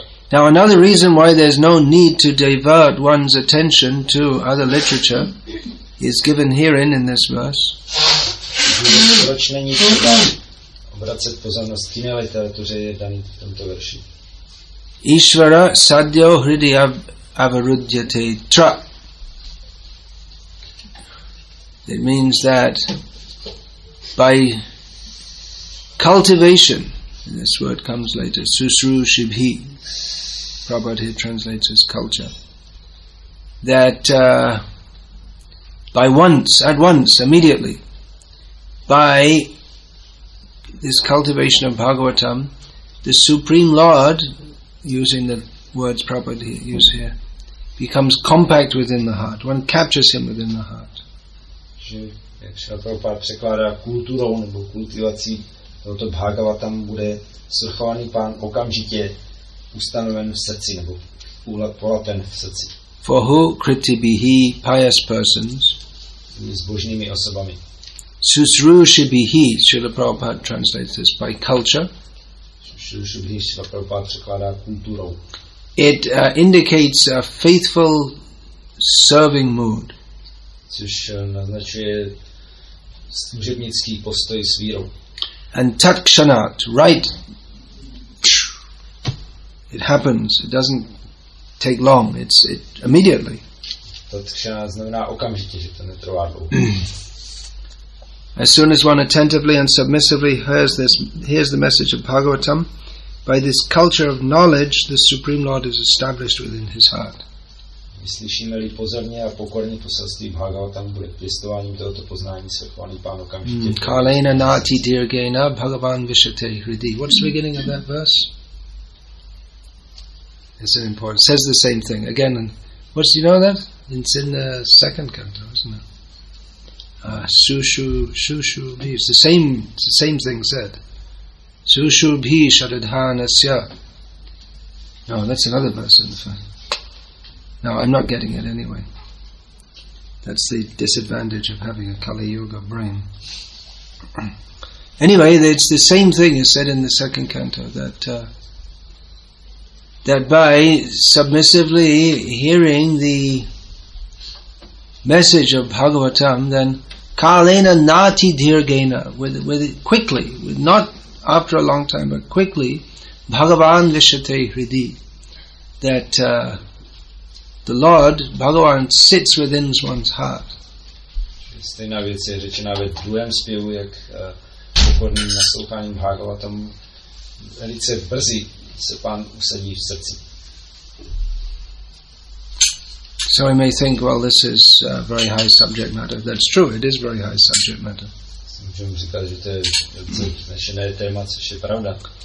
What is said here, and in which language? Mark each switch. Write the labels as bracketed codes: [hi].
[en] Now another reason why there's no need to divert one's attention to other literature is given herein in this verse. [cs] Proč není třeba obracet pozornost k jiné literatuře, je daný v tomto verši. [sa] Ishvara sadyo hridya avarudyate tra. [en] It means that by cultivation, and this word comes later, susru shibhi, Prabhupada here translates as culture, that by this cultivation of Bhagavatam, the Supreme Lord, using the words Prabhupada use here, becomes compact within the heart. One captures him within the heart. [cs] Že, jak Šrila Prabhupáda překládá, kulturou nebo kultivací tohoto Bhagavatam bude svrchovaný pán okamžitě ustanoven v srdci nebo polaten v srdci. [en] For who kriti bihi pious persons [cs] s božnými osobami. [en] Susruši bihi, Šrila Prabhupáda translates this by culture. [cs] Susruši bihi, Šrila Prabhupáda překládá kulturou. [en] It indicates a faithful serving mood. [cs] Což naznačuje služebnický postoj s vírou. [en] And tatkshanat, right. It happens. It doesn't take long. It's immediately. [cs] Tatkshanat znamená okamžitě, že to netrvá dlouho. [en] As soon as one attentively and submissively hears the message of Bhagavatam, by this culture of knowledge, the Supreme Lord is established within his heart. [cs] Slyšíme-li pozorně a pokorně poselství Bhagavatam, bude pěstováním tohoto poznání svrchovaný pán okamžitě. [sa] Kalena nati dirgena bhagavan vishate hridi. [en] What's the beginning of that verse? It's an important. It says the same thing again. What's, you know that? It's in the second canto, isn't it? Sushu, it's the same thing said. [sa] Sushubhi Shadadhanasya. [en] No, that's another verse in the fact. No, I'm not getting it anyway. That's the disadvantage of having a Kali Yuga brain. Anyway, it's the same thing is said in the second canto, that that by submissively hearing the message of Bhagavatam, then [sa] kalena nati dhirgena, [en] with quickly, with not after a long time, but quickly, [sa] Bhagavan vishate hridi, [en] that the Lord, Bhagavan, sits within one's heart. [cs] Stejná věc je řečená ve druhém zpěvu, jak pokorným nasloucháním Bhagavatam velice brzy se pán usadí v srdci. [en] So I may think, well, this is a very high subject matter. That's true, it is very high subject matter. [cs] Můžeme říkat, že to je vznešené téma, což je pravda.